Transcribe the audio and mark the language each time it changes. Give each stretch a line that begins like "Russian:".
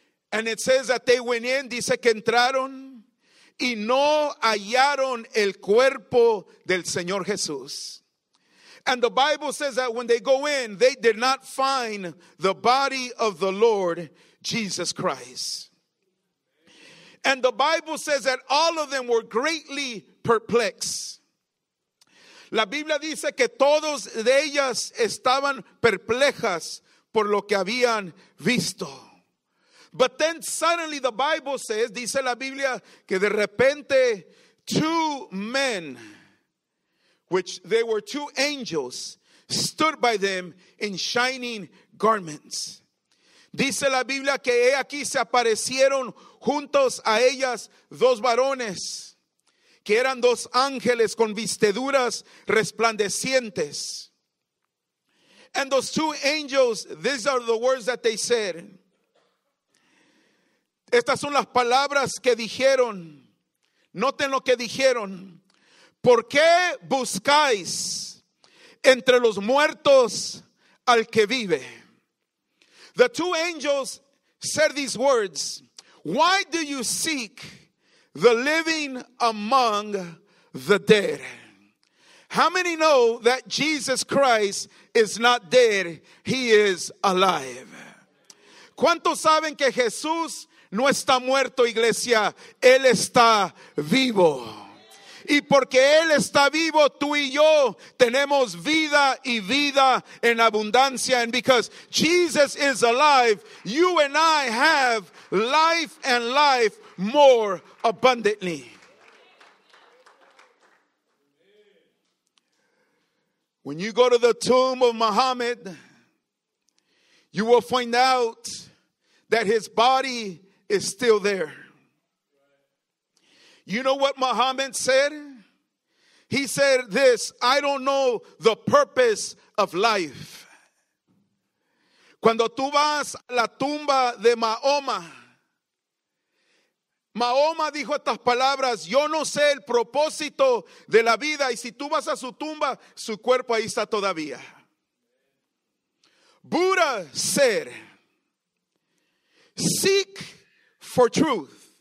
English: And it says that they went in,
Spanish: dice que entraron, y no hallaron el cuerpo del Señor Jesús.
English: And the Bible says that when they go in, they did not find the body of the Lord Jesus Christ. And the Bible says that all of them were greatly perplexed.
Spanish: La Biblia dice que todos de ellas estaban perplejas por lo que habían visto.
English: But then suddenly the Bible says,
Spanish: dice la Biblia, que de repente
English: two men, which they were two angels, stood by them in shining garments.
Spanish: Dice la Biblia que he aquí se aparecieron juntos a ellas dos varones que eran dos ángeles con vestiduras resplandecientes.
English: And those two angels, these are the words that they said.
Spanish: Estas son las palabras que dijeron. Noten lo que dijeron. ¿Por qué buscáis entre los muertos al que vive?
English: The two angels said these words. Why do you seek the living among the dead? How many know that Jesus Christ is not dead? He is alive.
Spanish: ¿Cuántos saben que Jesús no está muerto, iglesia? Él está vivo. Y porque Él está vivo, tú y yo tenemos vida y vida en abundancia.
English: And because Jesus is alive, you and I have life and life more abundantly. When you go to the tomb of Muhammad, you will find out that his body is still there. You know what Muhammad said? He said this, I don't know the purpose of life.
Spanish: Cuando tú vas a la tumba de Mahoma, Mahoma dijo estas palabras, yo no sé el propósito de la vida. Y si tú vas a su tumba, su cuerpo ahí está todavía.
English: Buddha said, seek for truth.